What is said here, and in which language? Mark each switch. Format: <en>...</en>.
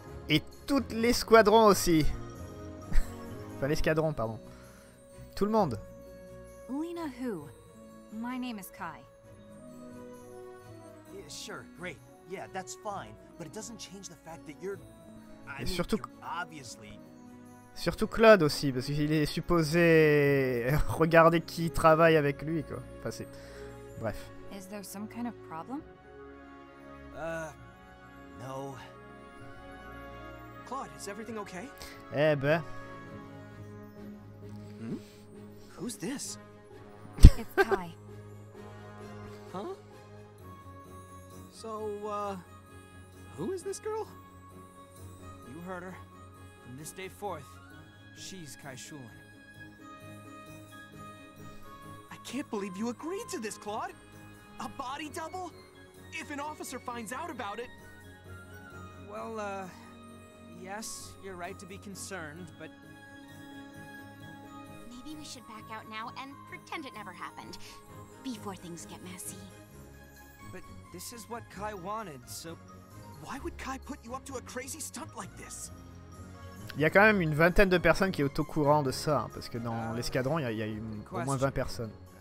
<fr>Et toutes les squadrons aussi. Enfin l'escadron, pardon. Tout le monde.</fr> <en>Lena who? My name is Kai. Yeah, sure, great. Yeah, that's fine, but it doesn't change the fact that you're...</en> <fr>Et surtout,</fr> <en>obviously.</en> <fr>Surtout Claude aussi, parce qu'il est supposé regarder qui travaille avec lui, quoi. Enfin, c'est... Bref.</fr> <en>Is there some kind of problem? No. Claude, is everything okay?</en> <fr>Eh ben.</fr> <en>Hmm? Who's this? It's Kai. Huh? So, who is this girl? You heard her. From this day forth, she's Kai Shulin. I can't believe you agreed to this, Claude! A body double? If an officer finds out about it... Well, yes, you're right to be concerned, but... Maybe we should back out now and pretend it never happened, before things get messy. But this is what Kai wanted, so... Why would Kai put you up to a crazy stunt like this?</en> <fr>Il y a quand même une vingtaine de personnes qui est au courant de ça, hein, parce que dans l'escadron, il y a au moins 20 personnes.</fr>